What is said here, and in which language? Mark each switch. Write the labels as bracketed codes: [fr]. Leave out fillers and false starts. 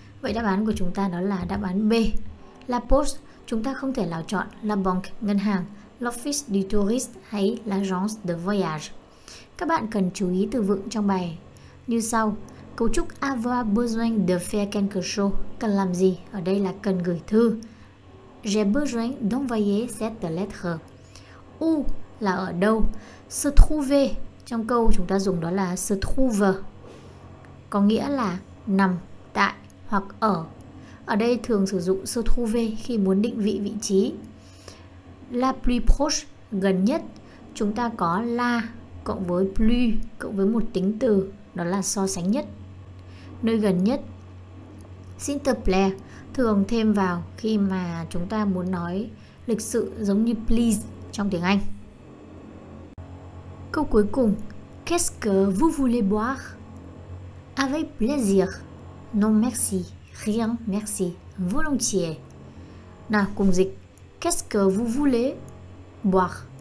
[vi] Vậy đáp án của chúng ta đó là đáp án B, la poste. Chúng ta không thể nào chọn la banque, ngân hàng, l'office du tourisme hay l'agence de voyage. Các bạn cần chú ý từ vựng trong bài như sau: cấu trúc [fr] avoir besoin de faire quelque chose, [vi] cần làm gì, ở đây là cần gửi thư. [fr] J'ai besoin d'envoyer cette lettre. [vi] Où là ở đâu, se trouver trong câu chúng ta dùng đó là se trouve, có nghĩa là nằm tại hoặc ở. Ở đây thường sử dụng se trouver khi muốn định vị vị trí. La plus proche, gần nhất, chúng ta có la cộng với plus cộng với một tính từ, đó là so sánh nhất, nơi gần nhất. [fr] S'il te plaît, [vi] thường thêm vào khi mà chúng ta muốn nói lịch sự giống như please trong tiếng Anh. Câu cuối cùng, [fr] qu'est-ce que vous voulez boire? Avec plaisir. Non merci, rien merci, volontiers. [vi] Nào cùng dịch, [fr] qu'est-ce que vous voulez boire?